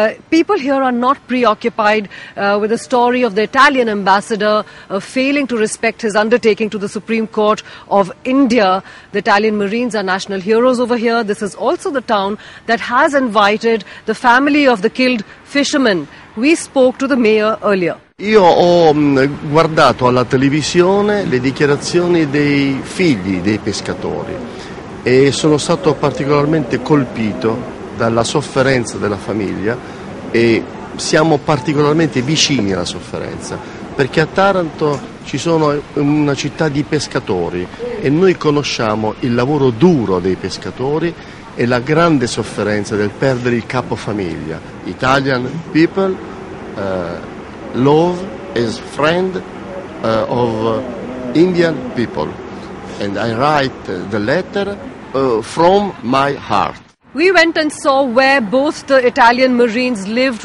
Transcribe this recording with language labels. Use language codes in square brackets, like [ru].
[en] People here are not preoccupied with the story of the Italian ambassador failing to respect his undertaking to the Supreme Court of India. The Italian Marines are national heroes over here. This is also the town that has invited the family of the killed fisherman. We spoke to the mayor earlier. [it] Io ho guardato alla televisione le dichiarazioni dei figli dei pescatori e sono stato particolarmente colpito dalla sofferenza della famiglia e siamo particolarmente vicini alla sofferenza perché a Taranto ci sono una città di pescatori e noi conosciamo il lavoro duro dei pescatori e la grande sofferenza del perdere il capo famiglia. [en] Italian people love is friend of Indian people, and I write the letter from my heart. We went and saw where both the Italian Marines lived.